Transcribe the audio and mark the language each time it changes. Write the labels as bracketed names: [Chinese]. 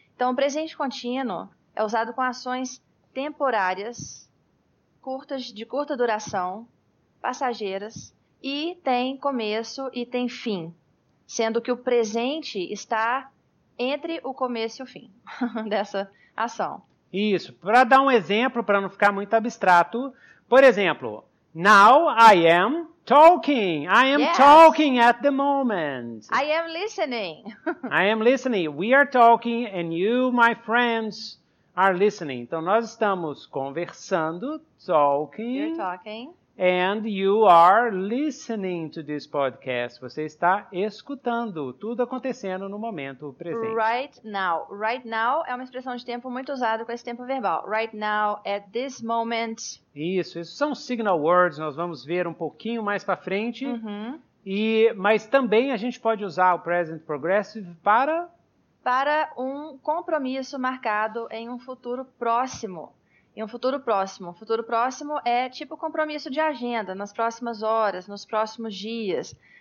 [Portuguese] Então, o presente contínuo é usado com ações temporárias, de curta duração, passageiras, e tem começo e tem fim, sendo que o presente está entre o começo e o fim dessa ação. Isso. Para dar um exemplo, para não ficar muito abstrato, por exemplo, [English] now I am talking. I am yes. Talking at the moment. I am listening. I am listening. We are talking and you, my friends, are listening. [Portuguese] Então, nós estamos conversando, talking. [English] You're talking. And you are listening to this podcast. [Portuguese] Você está escutando tudo acontecendo no momento presente. [English] Right now. [Portuguese] Right now é uma expressão de tempo muito usada com esse tempo verbal. [English] Right now, at this moment. [Portuguese] Isso. Isso são signal words. Nós vamos ver um pouquinho mais para frente. Uh-huh. Mas também a gente pode usar o present progressive para... Para um compromisso marcado em um futuro próximo. Em um futuro próximo. O futuro próximo é tipo compromisso de agenda, nas próximas horas, nos próximos dias.